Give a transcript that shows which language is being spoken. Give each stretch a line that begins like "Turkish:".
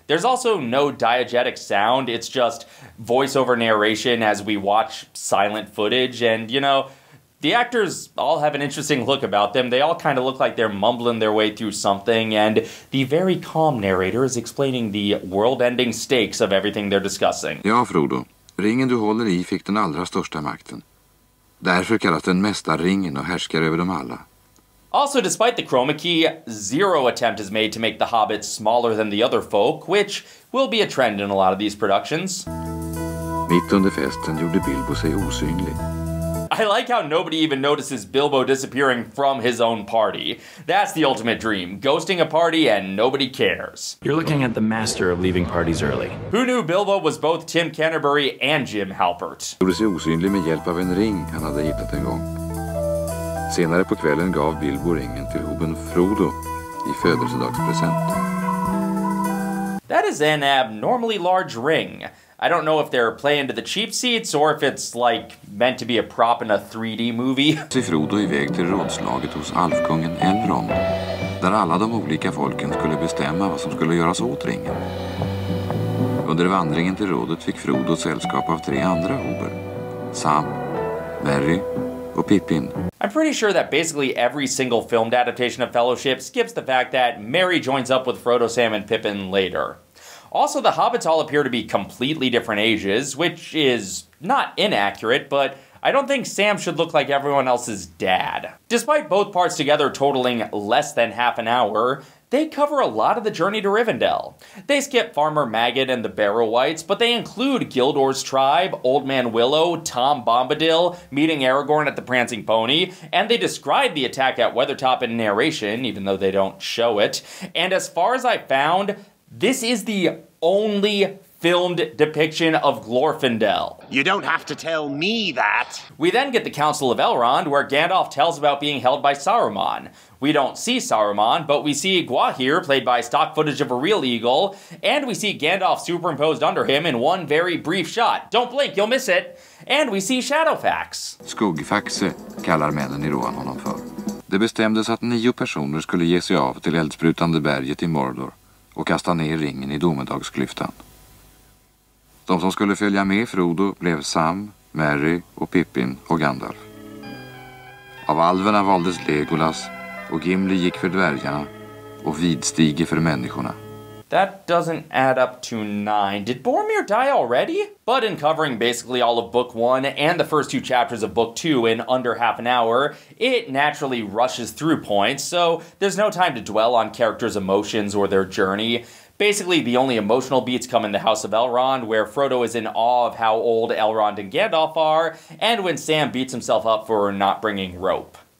English: There's also no diegetic sound, it's just voiceover narration as we watch silent footage, and, you know, the actors all have an interesting look about them. They all kind of look like they're mumbling their way through something, and the very calm narrator is explaining the world-ending stakes of everything they're discussing.
Swedish: Ja, Frodo. Ringen du håller i fick den allra största makten. Därför kallas den mästarringen och härskar över dem alla.
English: Also, despite the chroma key, zero attempt is made to make the hobbits smaller than the other folk, which will be a trend in a lot of these productions.
Swedish: Mitt under festen gjorde Bilbo sig osynlig.
English: I like how nobody even notices Bilbo disappearing from his own party. That's the ultimate dream, ghosting a party and nobody cares. You're looking at the master of leaving parties early. Who knew Bilbo was both Tim Canterbury and Jim Halpert?
Swedish: Han gjorde sig osynlig med hjälp av en ring han hade hittat en gång. Senare på kvällen gav Bilbo ringen till hobben Frodo i födelsedagspresent.
English: That is an abnormally large ring. I don't know if they're playing to the cheap seats or if it's, like, meant to be a prop in a 3D movie.
Swedish: Till Frodo iväg till rådslaget hos Alfkungen Elrond, där alla de olika folken skulle bestämma vad som skulle göras åt ringen. Under vandringen till rådet fick Frodo sällskap av tre andra hobbar. Sam, Merry och Pippin.
English: I'm pretty sure that basically every single filmed adaptation of Fellowship skips the fact that Merry joins up with Frodo, Sam, and Pippin later. Also, the hobbits all appear to be completely different ages, which is not inaccurate, but I don't think Sam should look like everyone else's dad. Despite both parts together totaling less than half an hour, they cover a lot of the journey to Rivendell. They skip Farmer Maggot and the Barrow-wights, but they include Gildor's tribe, Old Man Willow, Tom Bombadil, meeting Aragorn at the Prancing Pony, and they describe the attack at Weathertop in narration, even though they don't show it. And as far as I found, this is the only filmed depiction of Glorfindel. You don't have to tell me that. We then get the Council of Elrond, where Gandalf tells about being held by Saruman. We don't see Saruman, but we see Gwalior, played by stock footage of a real eagle, and we see Gandalf superimposed under him in one very brief shot. Don't blink, you'll miss it. And we see Shadowfax.
Swedish: Skuggfaxe kallar männen i Rohan honom för. Det bestämdes att 9 personer skulle ge sig av till eldsprutande berget i Mordor och kasta ner ringen i domedagsklyftan. De som skulle följa med Frodo blev Sam, Merry och Pippin och Gandalf. Av alverna valdes Legolas och Gimli gick för dvärgarna och Vidstige för människorna.
English: That doesn't add up to 9. Did Boromir die already? But in covering basically all of Book 1 and the first 2 chapters of Book 2 in under half an hour, it naturally rushes through points, so there's no time to dwell on characters' emotions or their journey. Basically, the only emotional beats come in the House of Elrond, where Frodo is in awe of how old Elrond and Gandalf are, and when Sam beats himself up for not bringing rope.